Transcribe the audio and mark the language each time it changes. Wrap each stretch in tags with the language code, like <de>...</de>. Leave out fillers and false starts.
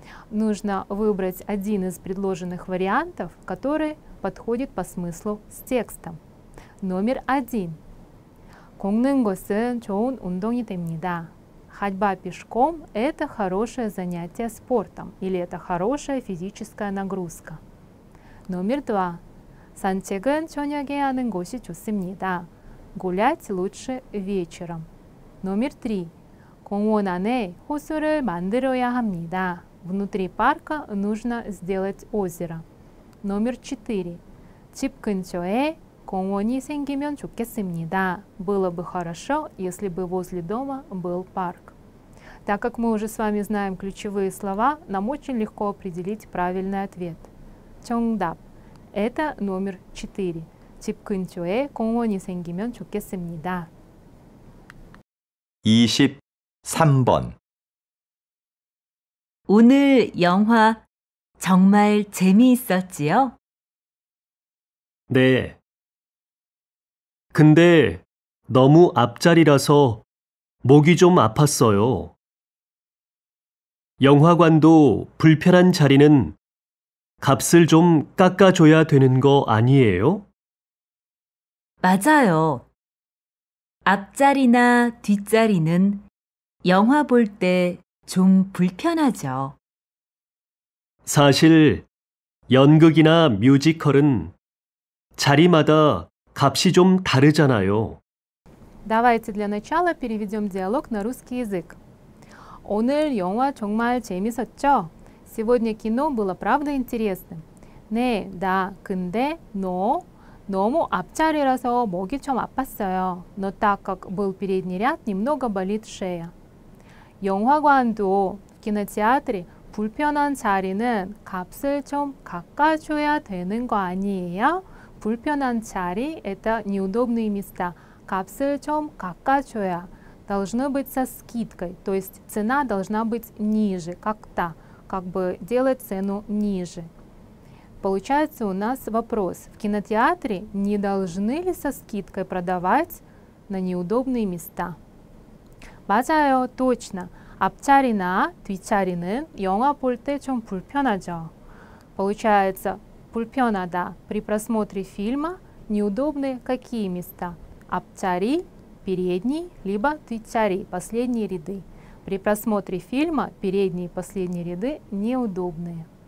<ru>Нужно выбрать один из предложенных вариантов, который подходит по смыслу с текстом. Номер один.</ru> <ko>Конгнен госен чоун ундонги темнида.</ko> <ru>Ходьба пешком – это хорошее занятие спортом или это хорошая физическая нагрузка. Номер два.</ru> <ko>산책은 저녁에 하는 것이 좋습니다.</ko> <ru>Гулять лучше вечером. Номер три.</ru> <ko>공원 안에 호수를 만들어야 합니다.</ko> <ru>Внутри парка нужно сделать озеро. Номер четыре.</ru> <ko>집 근처에 공원이 생기면 좋겠습니다.</ko> <ru>Было бы хорошо, если бы возле дома был парк. Так как мы уже с вами знаем ключевые слова, нам очень легко определить правильный ответ. 정답. Это номер 4.</ru> <ko>집 근처에 공원이 생기면 좋겠습니다. 23번 오늘 영화 정말 재미있었지요? 네. 근데 너무 앞자리라서 목이 좀 아팠어요. 영화관도 불편한 자리는 값을 좀 깎아줘야 되는 거 아니에요? 맞아요. 앞자리나 뒷자리는 영화 볼 때 좀 불편하죠. 사실 연극이나 뮤지컬은 자리마다 값이 좀 다르잖아요.</ko> <ru>Давайте для начала переведем диалог на русский язык.</ru> <ko>오늘 영화 정말 재밌었죠?</ko> <ru>Сегодня кино было правда интересным.</ru> <ko>네, 다, 근데,</ko> <ru>но,</ru> <ko>너무 앞자리라서 목이 좀 아팠어요.</ko> <ru>Но так как был передний ряд, немного болит шея.</ru> <ko>영화관도</ko> <ru>кинотеатре</ru> <ko>불편한 자리는 값을 좀 깎아줘야 되는 거 아니에요? 불편한 자리</ko> <ru>это неудобные места.</ru> <ko>값을 좀 깎아줘야</ko> <ru>должно быть со скидкой. То есть цена должна быть ниже, как-то, как бы делать цену ниже. Получается у нас вопрос, в кинотеатре не должны ли со скидкой продавать на неудобные места?</ru> <ko>맞아요,</ko> <ru>точно.</ru> <ko>앞자리나 뒷자리는 영화 볼 때 좀 불편하죠.</ko> <ru>Получается, 불편하다. При просмотре фильма неудобны какие места? 앞자리, передний, либо тычари, последние ряды. При просмотре фильма передние и последние ряды неудобные.</ru>